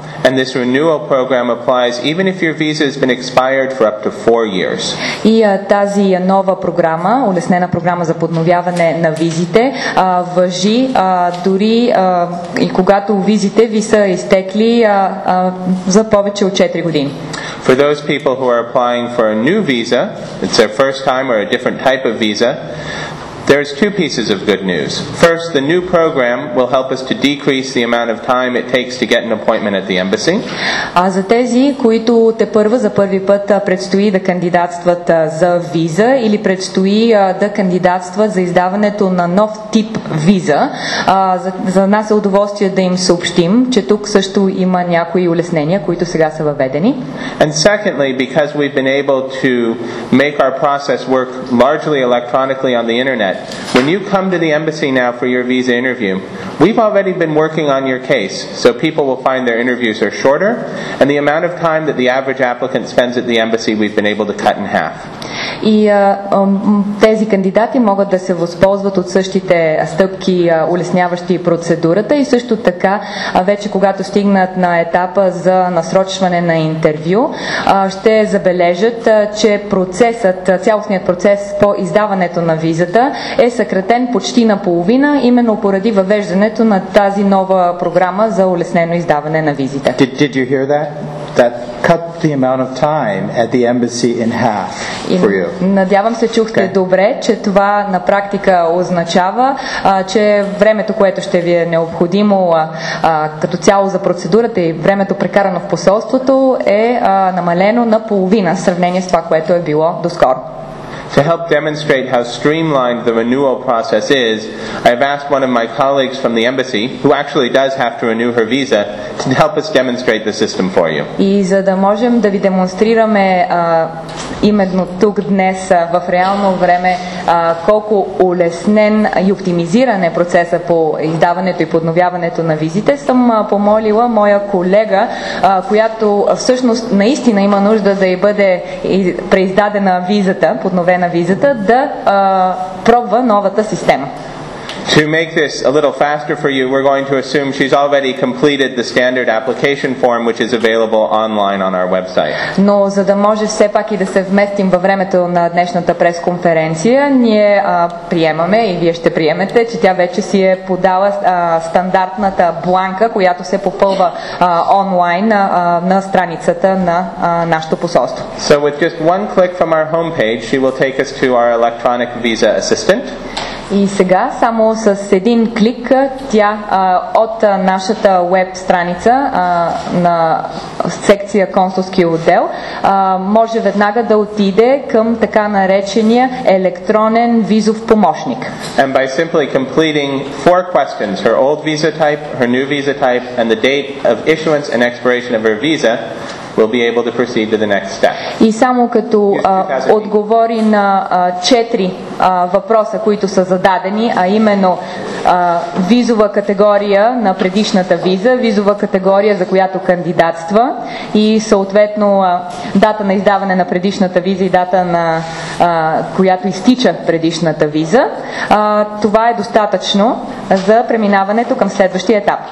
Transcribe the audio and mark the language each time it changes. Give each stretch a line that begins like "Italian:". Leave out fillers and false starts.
English: And this renewal program applies even if your visa has been expired for up to 4 years.
Bulgarian: И тази нова програма, улеснена програма за подновяване на визите, важи дори и когато визите ви са изтекли за повече от 4 години.
English: For those people who are applying for a new visa, it's their first time or a different type of visa, there's two pieces of good news. First, the new program will help us to decrease the amount of time it takes to get an appointment at the embassy.
Bulgarian: А за тези, които те първа за първи път предстои да кандидатстват за виза или предстои да кандидатстват за издаването на нов тип виза, за нас е удоволствие да им съобщим, че тук също има някои улеснения, които сега са въведени.
English: And secondly, because we've been able to make our process work largely electronically on the internet, when you come to the embassy now for your visa interview, we've already been working on your case, so people will find their interviews are shorter, and the amount of time that the average applicant spends at the embassy we've been able to cut in half.
Bulgarian: И тези кандидати могат да се възползват от същите стъпки, улесняващи процедурата, и също така вече когато стигнат на етапа за насрочване на интервю, ще забележат, че процесът, цялостният процес по издаването на визата е съкратен почти наполовина, именно поради въвеждането на тази нова програма за улеснено издаване на визите.
English: Did you hear that? That cut the amount of time at the embassy in half for you.
Bulgarian: Надявам се, чухте добре, че това на практика означава, че времето, което ще ви е необходимо като цяло за процедурата и времето прекарано в посолството е намалено на половина в сравнение с това, което е било доскоро.
English: To help demonstrate how streamlined the renewal process is, I have asked one of my colleagues from the embassy, who actually does have to renew her visa, to help us demonstrate the system for you.
Bulgarian: И за да можем да ви демонстрираме именно тук днес в реално време колко улеснен и оптимизиран е процеса по издаването и подновяването на визите, съм помолила моя колега, която всъщност наистина има нужда да й бъде преиздадена визата, подновена визата, да пробва новата система.
English: To make this a little faster for you, we're going to assume she's already completed the standard application form, which is available online on our website.
Bulgarian: Но за да може все пак и да се вместим във времето на днешната пресконференция, ние приемаме и вие ще приемете, че тя вече си е подала стандартната бланка, която се попълва онлайн на страницата на нашето посолство.
English: So with just one click from our homepage, she will take us to our electronic visa assistant.
Bulgarian: И сега само с един клик тя от нашата веб страница на секция консулски отдел може веднага да отиде към така наречения електронен визов помощник.
English: And by simply completing four questions, her old visa type, her new visa type, and the date of issuance and expiration of her visa, will be able to proceed to the next step.
Bulgarian: И само като отговори на четири въпроса, които са зададени, а именно визова категория на предишната виза, визова категория, за която кандидатства, и съответно дата на издаване на предишната виза и дата на която изтича предишната виза, това е достатъчно за преминаването към следващия етап.